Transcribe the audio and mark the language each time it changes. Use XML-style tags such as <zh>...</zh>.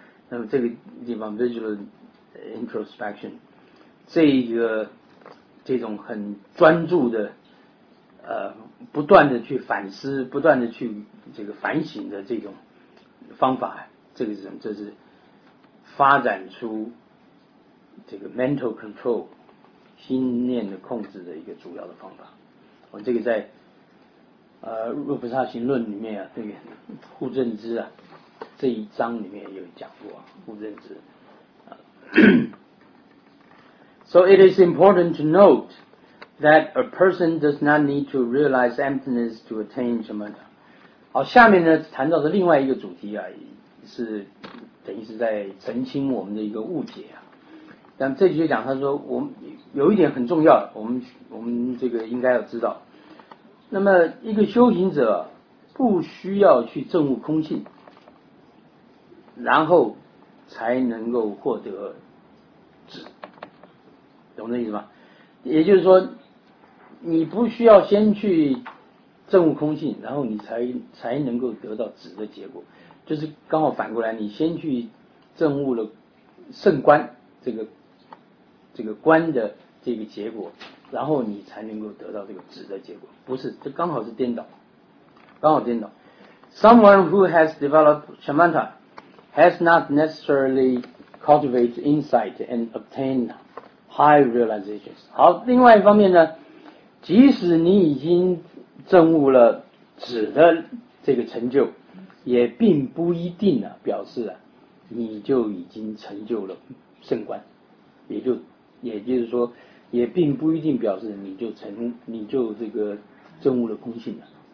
<zh>那么这个地方</zh> <en>visual introspection</en> <zh>这一个这种很专注的不断的去反思，不断的去这个反省的这种方法，这个是什么？这是发展出这个</zh> <en>mental control</en> <zh>心念的控制的一个主要的方法。我这个在若菩萨行论里面啊，这个护正知啊这一章里面有讲过不认识。</zh> <en>So it is important to note that a person does not need to realize emptiness to attain shamatha.</en> <zh>好，下面呢谈到的另外一个主题啊，是等于是在澄清我们的一个误解啊。但这句讲他说我们有一点很重要，我们这个应该要知道。那么一个修行者不需要去证悟空性，然后才能够获得止，懂这意思吗？也就是说你不需要先去证悟空性，然后你才能够得到止的结果，就是刚好反过来，你先去证悟了圣观这个观的这个结果，然后你才能够得到这个止的结果，不是，这刚好是颠倒，刚好颠倒。</zh> <en>Someone who has developed shamatha has not necessarily cultivated insight and obtained high realizations.</en> <zh>好，另外一方面呢，即使你已经证悟了止的这个成就，也并不一定呢、啊、表示啊你就已经成就了圣观，也就是说也并不一定表示你就这个证悟了空性了。</zh>